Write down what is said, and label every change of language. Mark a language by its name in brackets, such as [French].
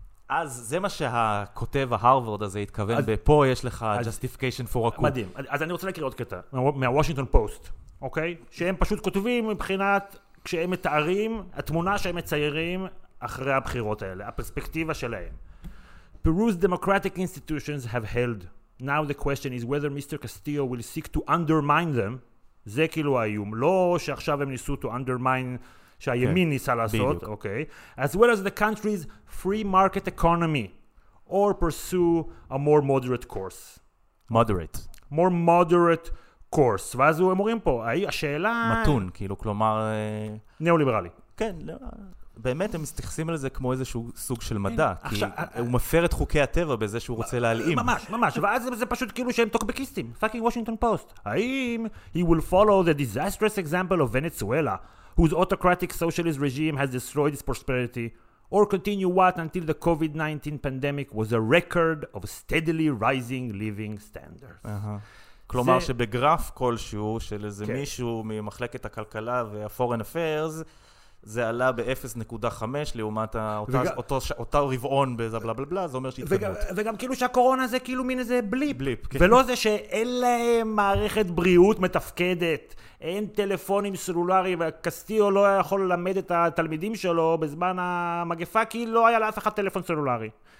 [Hebrew] אז זה מה שהכותב ההרוורד הזה התכוון, ופה יש לך [English] justification for a coup. [Hebrew] מדהים. אז אני רוצה להקריא עוד קטע, מהוושינגטון פוסט, אוקיי? שהם פשוט כותבים מבחינת, כשהם מתארים, התמונה שהם מציירים אחרי הבחירות האלה, הפרספקטיבה שלהם. [English] Peru's democratic institutions have held Now the question is whether Mr. Castillo will seek to undermine them. [Hebrew] זה כאילו האיום. לא שעכשיו הם ניסו [English] to undermine, [Hebrew] שהימין ניסה לעשות. [English] Okay. As well as the country's free market economy. Or pursue a more moderate course. Moderate. More moderate course. [Hebrew] ואז הם אומרים פה, השאלה... מתון, כאילו, כלומר... ניאו-ליברלי. כן, ליברלי. באמת, הם מסתכסים על זה כמו איזשהו סוג של מדע, כי הוא מפר את חוקי הטבע בזה שהוא רוצה להלאים. ממש, ממש. ואז זה פשוט כאילו שהם טוקבקיסטים. [English] Fucking Washington Post. האם he will follow the disastrous example of Venezuela, whose autocratic socialist regime has destroyed its prosperity, or continue what until the COVID-19 pandemic was a record of steadily rising living standards? [Hebrew] כלומר שבגרף כלשהו של איזה מישהו ממחלקת הכלכלה והפורן אפיירס, זה עלה ב-0.5 לעומת אותו רבעון בזה בלה בלה בלה, זה אומר שהתקדמות. וגם כאילו שהקורונה זה כאילו מין איזה בליפ. בליפ, כן. ולא זה שאין להם מערכת בריאות מתפקדת, אין טלפונים סלולריים, וקסטיו לא יכול ללמד את התלמידים שלו בזמן המגפה, כי לא היה לאף אחד טלפון סלולרי.